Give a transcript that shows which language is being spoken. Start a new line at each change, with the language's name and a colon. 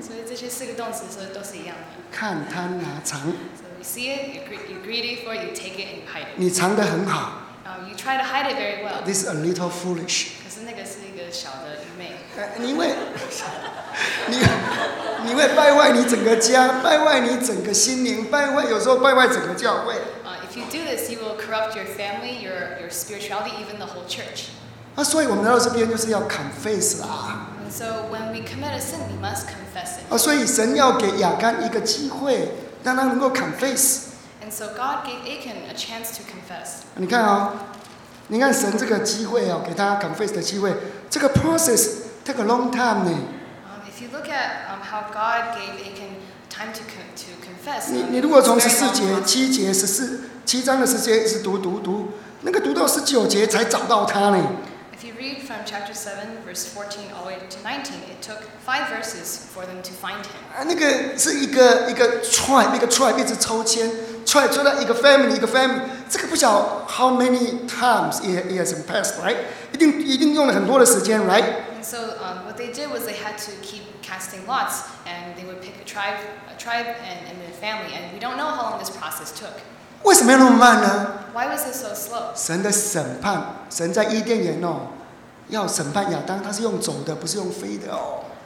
Chinese: 所以这些四个动词是都是一样的。看贪拿藏。
English: So you see it, you're greedy for it, you take it and you hide it.
Chinese: 你藏得很好。
English: You try to hide it very well. This is a little foolish.
Chinese: 可是那个是一个小的愚昧。你会败坏你整个家，败坏你整个心灵，败坏有时候败坏整个教会。
English: If you do this, you will corrupt your family, your spirituality, even the whole church.
Chinese: 所以我们来到这边就是要 confess 啦。
English: And so when we commit a sin, we must confess it.
Chinese: 所以神要给亚干一个机会，让他能够 confess。
English: And so God gave Achan a chance to confess.
Chinese: 你看啊、哦，你看神这个机会啊、哦，给他 confess 的机会，这个
English: process take a long time
Chinese: 呢。
English: If you look at how God gave Achan time to confess,
Chinese: 你如果从十四节、七节、十四、七章的十节一直读，那个读到十九节才找到他呢。
English: If you read from chapter 7, verse 14 all the way to 19, it took 5 verses for them to find him.
Chinese: 那个是一个 tribe, 一个 tribe 一直抽签 ，tribe 抽到一个 family， 这个不晓得
English: how many times it has passed, right?
Chinese: 一定用了很多的时间 ，right?
English: So what they did was they had to keep casting lots, and they would pick a tribe and a family, and we don't know how long this process took.
Chinese: 为什么要那么慢呢？
English: Why was it so slow?
Chinese: 神的审判，神在伊甸园哦，要审判亚当，他是用走的，不是用飞的哦。